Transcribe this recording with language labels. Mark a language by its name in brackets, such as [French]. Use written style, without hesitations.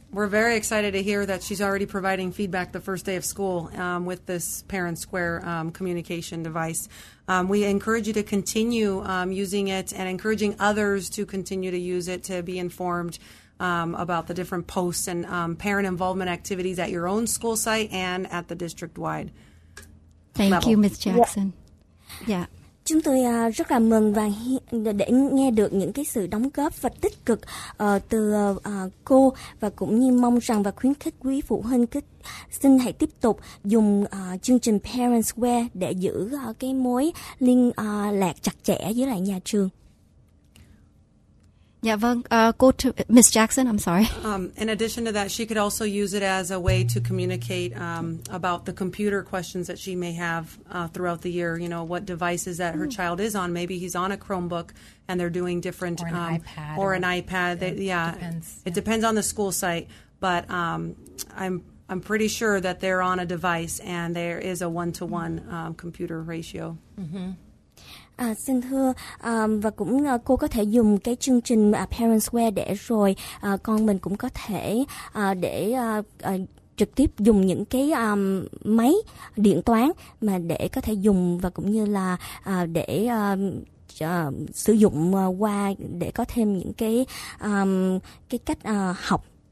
[English] We're very excited to hear that she's already providing feedback the first day of school with this Parent Square communication device. We encourage you to continue using it and encouraging others to continue to use it to be informed about the different posts and parent involvement activities at your own school site and at the district-wide level. Thank you, Ms. Jackson. Yeah. [Vietnamese] Chúng tôi rất là mừng và để nghe được những cái sự đóng góp và tích cực từ cô, và cũng như mong rằng và khuyến khích quý phụ huynh xin hãy tiếp tục dùng chương trình Parents Square để giữ cái mối liên lạc chặt chẽ với lại nhà trường. [English] Yeah, vâng. Go to Ms. Jackson. I'm sorry. In addition to that, she could also use it as a way to communicate about the computer questions that she may have throughout the year. You know, what devices that her child is on. Maybe he's on a Chromebook and they're doing different. Or an iPad. Or an iPad. It depends on the school site. But I'm pretty sure that they're on a device and there is a one-to-one computer ratio. Mm-hmm. [Vietnamese] Xin thưa, và cũng cô có thể dùng cái chương trình Parent Square để rồi con mình cũng có thể để trực tiếp dùng những cái máy điện toán mà để có thể dùng và cũng như là để sử dụng qua để có thêm những cái cách học.